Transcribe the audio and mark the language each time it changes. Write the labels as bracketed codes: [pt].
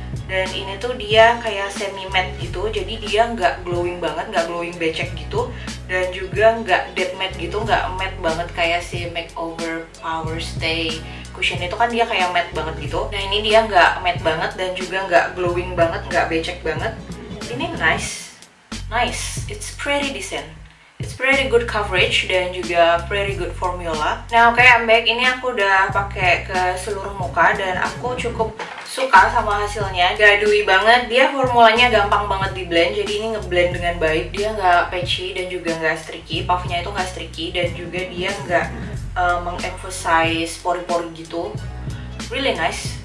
[id] Dan ini tuh dia kayak semi matte gitu. Jadi dia gak glowing banget, gak glowing becek gitu. Dan juga nggak dead matte gitu, nggak matte banget kayak si Makeover Power Stay Cushion itu kan dia kayak matte banget gitu. Nah, ini dia nggak matte banget dan juga nggak glowing banget, nggak becek banget. [en] Ini nice, nice, it's pretty decent. It's pretty good coverage [id] dan juga [en] pretty good formula. Nah, oke, I'm back. [id] Ini aku udah pakai ke seluruh muka dan aku cukup suka sama hasilnya. Gak dewy banget, dia formulanya gampang banget di blend, jadi ini ngeblend dengan baik. Dia gak patchy dan juga gak streaky, puffnya itu gak streaky. Dan juga dia gak meng-emphasize pori-pori gitu. [en] Really nice.